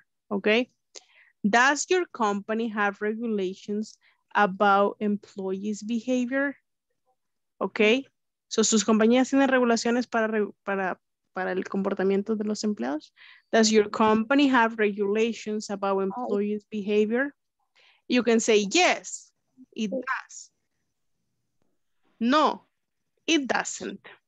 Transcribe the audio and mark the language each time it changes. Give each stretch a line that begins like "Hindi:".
English: Okay. Does your company have regulations about employees' behavior? Okay.
Spanish: So, sus compañías tienen regulaciones para el comportamiento de los empleados?
English: Does your company have regulations about employees' behavior? You can say, yes, it does. No, it doesn't.